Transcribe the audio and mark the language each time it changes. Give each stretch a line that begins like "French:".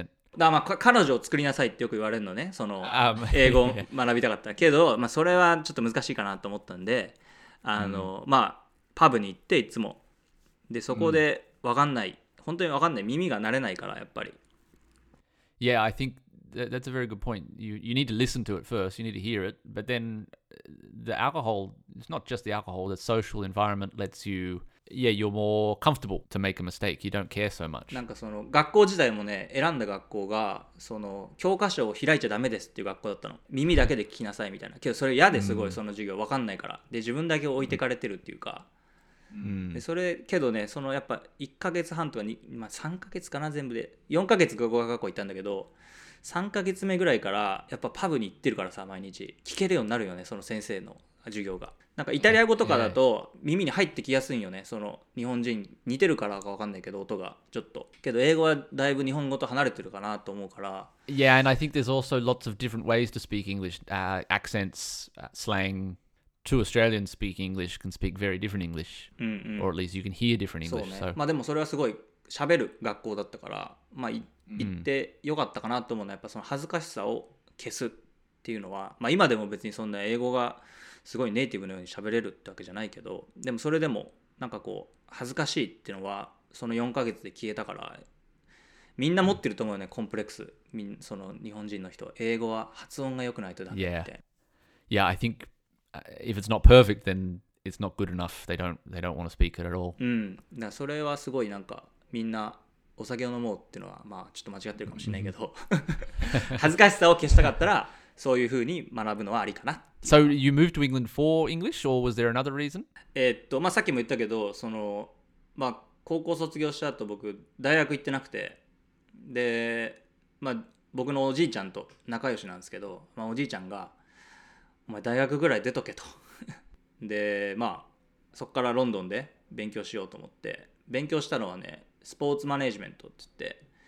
Japanese: だからまあ彼女を作りなさいってよく言われるのね、その英語を学びたかったけど、まあそれはちょっと難しいかなと思ったんで、まあパブに行っていつも、でそこで分かんない、本当に分かんない、耳が慣れないからやっぱり。
English: Yeah, I thinkThat's a very good point. You need to listen to it first. You need to hear it. But then the alcohol, it's not just the alcohol. The social environment lets you, yeah, you're more comfortable to make a mistake. You don't care so much.
Japanese: なんかその学校時代もね、選んだ学校がその教科書を開いちゃダメですっていう学校だったの。耳だけで聞きなさいみたいな。けどそれ嫌ですごい、その授業わかんないから。で、自分だけ置いてかれてるっていうか。でそれけどね、そのやっぱ1ヶ月半とか2、まあ、3ヶ月かな、全部で4ヶ月語学学校行ったんだけど、3ヶ月目ぐらいからやっぱパブに行ってるからさ、毎日聞けるようになるよね、その先生の授業が。なんかイタリア語とかだと耳に入ってきやすいんよね。その日本人似てるからか分かんないけど、音がちょっと。けど英語はだいぶ日本語と離れてるかなと思うから。
English: Yeah, and I think there's also lots of different ways to speak English. Accents, slang. Two Australians speak English can speak very different English. Or at least you can hear different English.
Japanese: そうね。まあでもそれはすごい喋る学校だったから、まあ行ってよかったかなと思うのは、やっぱその恥ずかしさを消すっていうのは、まあ今でも別にそんな英語がすごいネイティブのように喋れるってわけじゃないけど、でもそれでもなんかこう恥ずかしいっていうのはその4ヶ月で消えたから、みんな持ってると思うよね、コンプレックス。みんその日本人の人、英語は発音が良くないとダメって。
English: Yeah, I think if it's not perfect, then it's not good enough. They don't want to speak it at all.
Japanese: うん、だそれはすごいなんかみんなお酒を飲もうっていうのは、まあちょっと間違ってるかもしれないけど、恥ずかしさを消したかったら。そういうふうに学ぶのはありかな。
English: So you moved to England for English, or was there another reason?
Japanese: まあさっきも言ったけど、その、まあ高校卒業した後僕大学行ってなくて、で、まあ僕のおじいちゃんと仲良しなんですけど、まあおじいちゃんが、お前大学ぐらい出とけと。で、まあそこからロンドンで勉強しようと思って、勉強したのはね、スポーツマネジメントって言って、